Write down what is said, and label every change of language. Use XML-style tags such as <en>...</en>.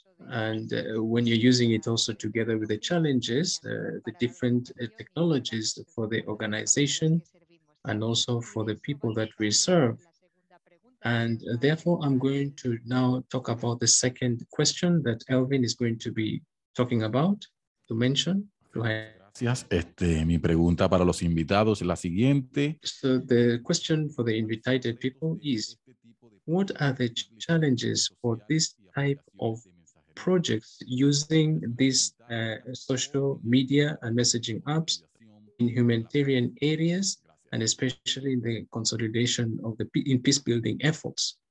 <en>And when you're using it also together with the challenges, the different technologies for the organization and also for the people that we serve. And therefore, I'm going to now talk about the second question that Elvin is going to be talking about, to mention.</en> <es>Gracias. Mi pregunta para los invitados es la siguiente.</es> <en>So the question for the invited people is, what are the challenges for this type of projects using these social media and messaging apps in humanitarian areas, and especially in the consolidation of the in peace building efforts?</en>